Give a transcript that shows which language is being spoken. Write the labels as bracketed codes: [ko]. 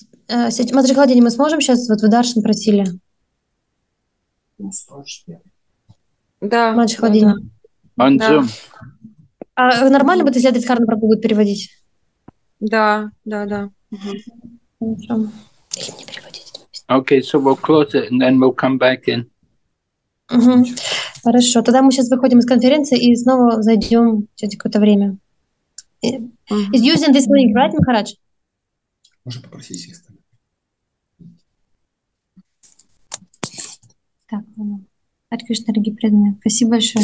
[ru] Матри Хладини, мы сможем сейчас? Вот вы Даршан просили. Да. Матри Хладини. [en] On Zoom. [ru] А нормально будет, если Адриханна Прабу будет переводить? Да. Или мне переводить? [en] Okay, so we'll close it and then we'll come back in. [ru] Mm-hmm. Хорошо. Тогда мы сейчас выходим из конференции и снова зайдем через какое-то время. [en] Mm-hmm. Is using this link, right, Maharaj? [ru] Можно попросить сестры. Так, Хари Кришна, дорогие преданные, спасибо большое.